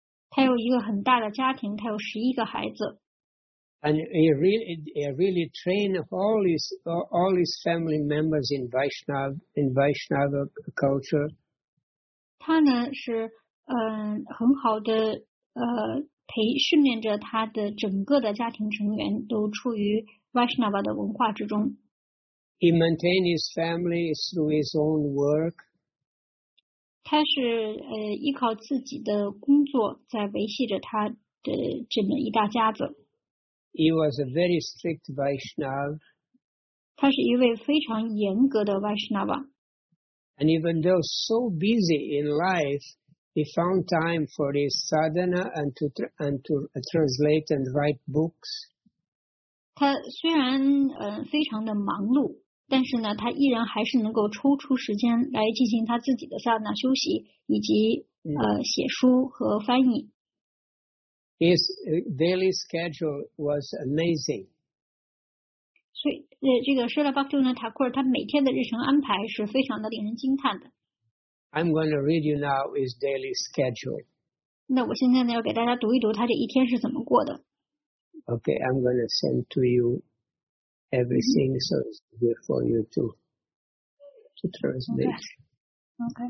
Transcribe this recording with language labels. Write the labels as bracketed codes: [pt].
[zh] 他有一个很大的家庭，他有11个孩子。 [en] And he really trained all his family members in Vaishnava culture. [zh] 他呢是很好的培训练着他的整个的家庭成员都处于 Vaishnava 的文化之中。 [en] He maintained his family through his own work. [zh] 他是依靠自己的工作在维系着他的这么一大家子。 [en] He was a very strict Vaishnava. [zh] 他是一位非常严格的 Vaishnava. [en] And even though so busy in life, he found time for his sadhana and to translate and write books. [zh] 他虽然非常的忙碌，但是呢，他依然还是能够抽出时间来进行他自己的 sadhana 休息，以及写书和翻译。 [en] His daily schedule was amazing. [zh] 所以这个 Srila Bhaktivinoda Thakur 他每天的日程安排是非常的令人惊叹的。 [en] I'm going to read you now his daily schedule. [zh] 那我现在呢要给大家读一读他这一天是怎么过的。 [en] Okay, I'm going to send to you everything so it's good for you to translate.